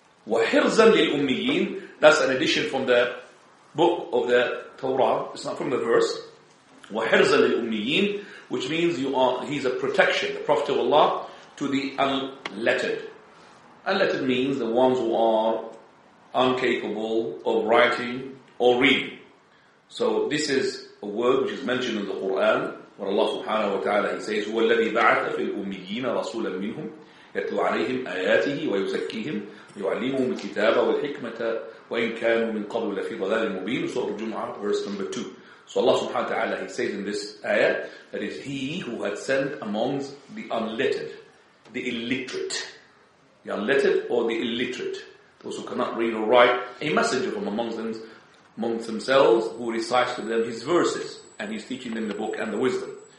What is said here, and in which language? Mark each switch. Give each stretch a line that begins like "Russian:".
Arabic: وَحِرْزًا لِلْأُمِّيِّينَ,
English: that's an addition from the book of the Torah, it's not from the verse.
Arabic: وَحِرْزًا لِلْأُمِّيِّينَ,
English: which means he's a protection, the Prophet of Allah, to the unlettered. Unlettered means the ones who are incapable of writing or reading. So this is a word which is mentioned in the Quran, where Allah subhanahu wa ta'ala, he says,
Arabic: هو الذي بعث في الأميين رسولا منهم يتلو عليهم آياته ويزكيهم يعلمهم الكتاب والحكمة وإن كانوا من قبل لفي ضلال مبين.
English: Surah Al-Jum'ah, verse number 2. So Allah subhanahu wa ta'ala, he says in this ayat, that is, he who had sent amongst the unlettered, the illiterate, the unlettered or the illiterate, those who cannot read or write, a messenger from amongst themselves, who recites to them his verses, and he's teaching them the book and the wisdom.